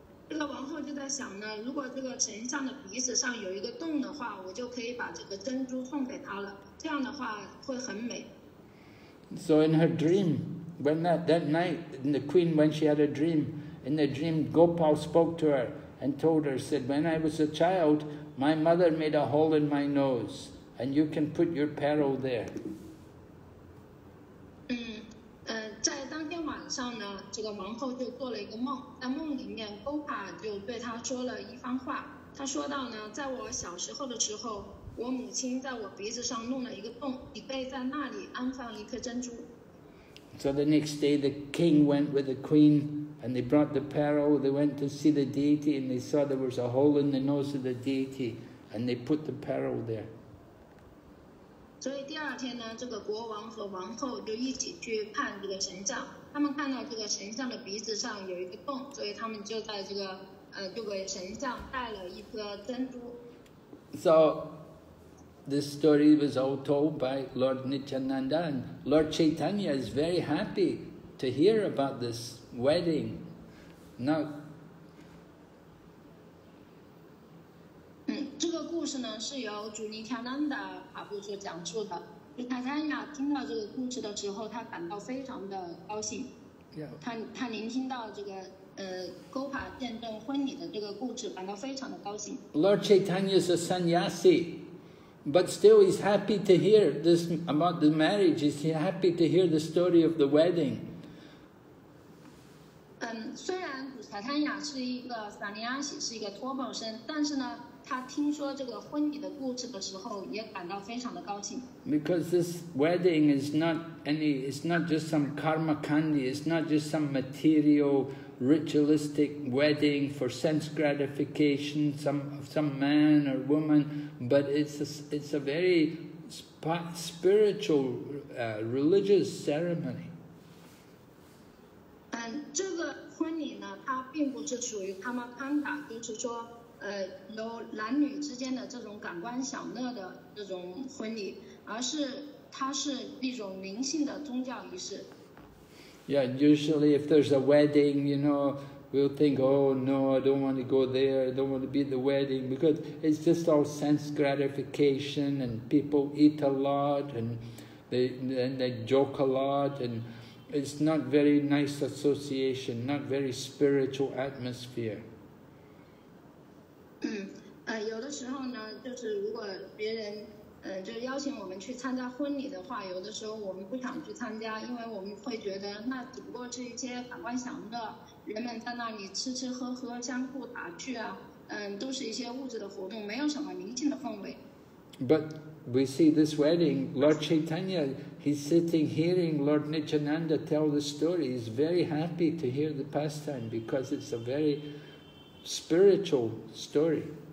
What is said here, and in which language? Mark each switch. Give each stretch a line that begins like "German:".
Chinese: 这个王后就在想呢，如果这个神像的鼻子上有一个洞的话，我就可以把这个珍珠送给他了。这样的话会很美。
English: So in her dream, when that night, in the queen, when she had a dream, in the dream, Gopal spoke to her and told her, said, when I was a child, my mother made a hole in my nose. And you can put your pearl there.
Chinese: 在当天晚上呢，这个王后就做了一个梦，在梦里面 ，Gopa 就对她说了一番话。她说到呢，在我小时候的时候，我母亲在我鼻子上弄了一个洞，你可以在那里安放一颗珍珠。
English: So the next day, the king went with the queen, and they brought the pearl. They went to see the deity, and they saw there was a hole in the nose of the deity, and they put the pearl there.
Chinese: 所以第二天呢，这个国王和王后就一起去看这个神像。他们看到这个神像的鼻子上有一个洞，所以他们就在这个就给神像带了一颗珍珠。
English: So this story was all told by Lord Nityananda, and Lord Chaitanya is very happy to hear about this wedding. Now.
Chinese: 这个故事呢是由主尼塔南达法布所讲述的。就塔塔亚听到这个故事的时候，他感到非常的高兴。他聆听到这个Gopa见证婚礼的这个故事，感到非常的高兴。
English: Lord Chaitanya is a sannyasi, but still he's happy to hear this about the marriage. He's happy to hear the story of the wedding.
Chinese: 虽然塔塔亚是一个 sannyasi, 是一个托钵僧，但是呢。他听说这个婚礼的故事的时候，也感到非常的高兴。
English: Because this wedding is not any, it's not just some karma kandi, it's not just some material ritualistic wedding for sense gratification, some man or woman, but it's a very spiritual, religious ceremony.
Chinese: 这个婚礼呢，它并不是属于 karma kanda, 就是说。有男女之间的这种感官享乐的这种婚礼，而是它是一种灵性的宗教仪式。
English: Yeah, usually if there's a wedding, you know, We'll think, oh no, I don't want to go there, I don't want to be at the wedding, because it's just all sense gratification, and people eat a lot, and they joke a lot, and it's not very nice association, not very spiritual atmosphere.
Chinese: 有的时候呢，就是如果别人，就邀请我们去参加婚礼的话，有的时候我们不想去参加，因为我们会觉得那只不过是一些旁观享乐，人们在那里吃吃喝喝、相互打趣啊，都是一些物质的活动，没有什么灵性的氛围。
English: But we see this wedding, Lord Chaitanya, he's sitting hearing Lord Nityananda tell the story. He's very happy to hear the pastime because it's a very spiritual story.